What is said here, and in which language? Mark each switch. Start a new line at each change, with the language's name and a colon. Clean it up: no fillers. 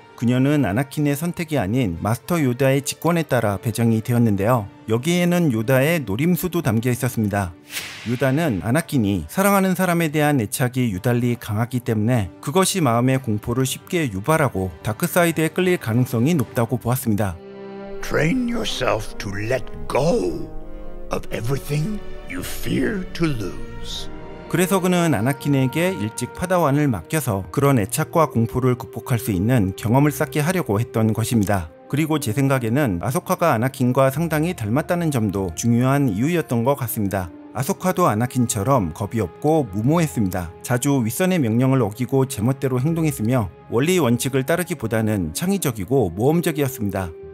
Korean: 그녀는 아나킨의 선택이 아닌 마스터 요다의 직권에 따라 배정이 되었는데요. 여기에는 요다의 노림수도 담겨 있었습니다. 요다는 아나킨이 사랑하는 사람에 대한 애착이 유달리 강하기 때문에 그것이 마음의 공포를 쉽게 유발하고 다크사이드에 끌릴 가능성이 높다고 보았습니다.
English: Train yourself to let go of everything you fear to lose.
Korean: 그래서 그는 아나킨에게 일찍 파다완을 맡겨서 그런 애착과 공포를 극복할 수 있는 경험을 쌓게 하려고 했던 것입니다. 그리고 제 생각에는 아소카가 아나킨과 상당히 닮았다는 점도 중요한 이유였던 것 같습니다. 아소카도 아나킨처럼 겁이 없고 무모했습니다. 자주 윗선의 명령을 어기고 제멋대로 행동했으며 원리 원칙을 따르기보다는 창의적이고 모험적이었습니다.